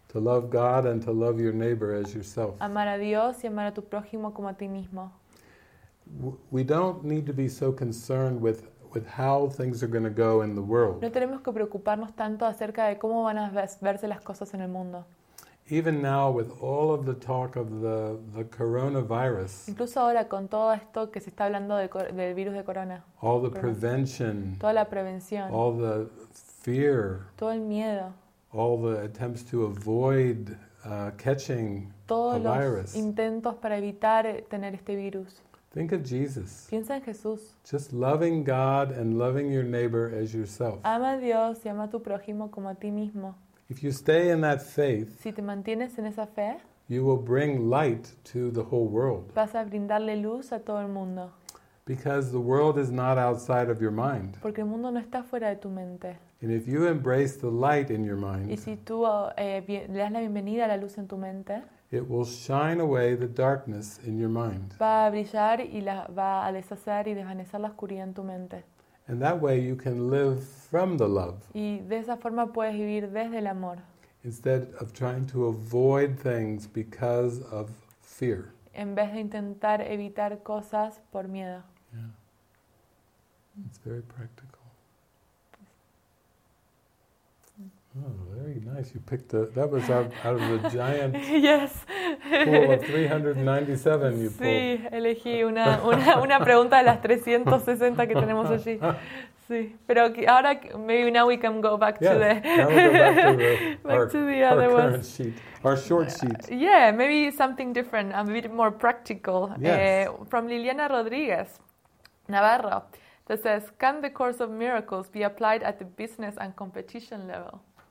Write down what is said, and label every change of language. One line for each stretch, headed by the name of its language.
English: To love God and to love your neighbor as yourself.
Spanish: Amar a Dios y amar a tu prójimo como a ti mismo.
English: We don't need to be so concerned with how things are going to go in the world.
Spanish: No tenemos que preocuparnos tanto acerca de cómo van a verse las cosas en el mundo.
English: Even now with all of the talk of the coronavirus.
Spanish: Incluso ahora con todo esto que se está hablando del virus de corona.
English: All the prevention.
Spanish: Toda la prevención.
English: All the fear.
Spanish: Todo el miedo.
English: All the attempts to avoid catching
Spanish: todos
English: a virus.
Spanish: Los intentos para evitar tener este virus.
English: Think of Jesus.
Spanish: Piensa en Jesús.
English: Just loving God and loving your neighbor as yourself.
Spanish: Ama a Dios y ama a tu prójimo como a ti mismo.
English: If you stay in that faith,
Spanish: si te mantienes en esa fe,
English: you will bring light to the whole world.
Spanish: Vas a brindarle luz a todo el mundo.
English: Because the world is not outside of your mind.
Spanish: Porque el mundo no está fuera de tu mente.
English: And if you embrace the light in your mind,
Spanish: y si tú le das la bienvenida a la luz en tu mente,
English: it will shine away the darkness in your mind.
Spanish: Va a brillar y va a deshacer y desvanecer la oscuridad en tu mente.
English: And that way you can live from the love.
Spanish: Y de esa forma puedes vivir desde el amor.
English: Instead of trying to avoid things because of fear.
Spanish: En vez de intentar evitar cosas por miedo.
English: Yeah. It's very practical. Oh, very nice. You picked that was out of the giant yes. pool of 397 you pulled.
Spanish: Sí, elegí una pregunta de las 360 que tenemos allí. Sí, pero ahora,
English: maybe now we can go back yes, to the... Now we go back to the other one. Current sheet, our short sheet. Yeah, maybe something different, a bit more practical. Yes. From Liliana Rodriguez, Navarro. That says, can the course of miracles be applied at the business and competition level?